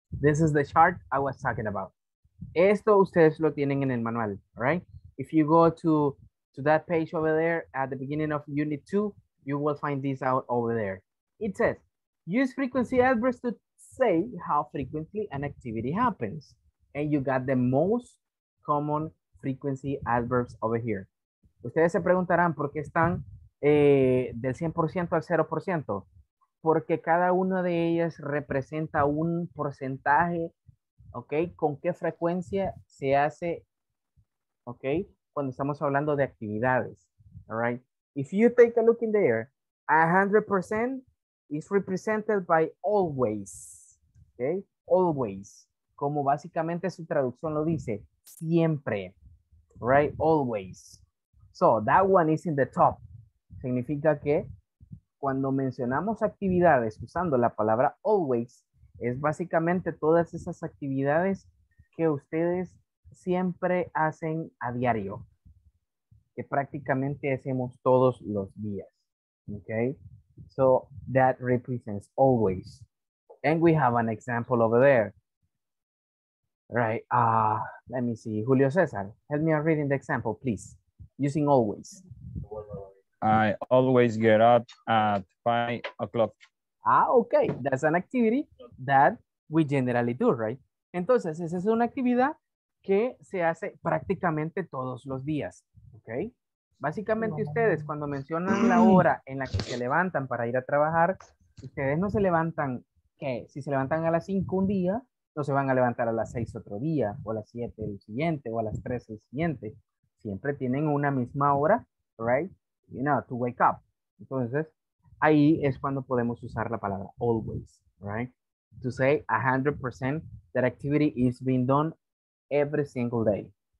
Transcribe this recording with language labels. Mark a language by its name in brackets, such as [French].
[English] This is the chart I was talking about. [Spanish] Esto ustedes lo tienen en el manual, right? [English] If you go to that page over there at the beginning of unit 2, you will find this out over there. It says, use frequency adverbs to say how frequently an activity happens. And you got the most common frequency adverbs over here. [Spanish] Ustedes se preguntarán por qué están del 100% al 0%. Porque cada una de ellas representa un porcentaje, ¿ok? ¿Con qué frecuencia se hace, ¿ok? Cuando estamos hablando de actividades, [English] all right? If you take a look in there, 100% is represented by always, ¿ok? [Spanish] Always, como básicamente su traducción lo dice, siempre, right? Always. [English] So, that one is in the top. [Spanish] Significa que cuando mencionamos actividades usando la palabra always, es básicamente todas esas actividades que ustedes siempre hacen a diario, que prácticamente hacemos todos los días. [English] Okay? So that represents always. And we have an example over there. Right. Let me see. Julio César, help me read the example, please. Using always. I always get up at 5 o'clock. Ah, okay. That's an activity that we generally do, right? [Spanish] Entonces, esa es una actividad que se hace prácticamente todos los días, okay? Básicamente, ustedes cuando mencionan la hora en la que se levantan para ir a trabajar, ustedes no se levantan, ¿qué? Si se levantan a las 5 un día, no se van a levantar a las 6 otro día, o a las 7 el siguiente, o a las 3 el siguiente. Siempre tienen una misma hora, right? [English] You know, to wake up. [Spanish] Entonces, ahí es cuando podemos usar la palabra always, right? [English] To say 100% that activity is being done every single day.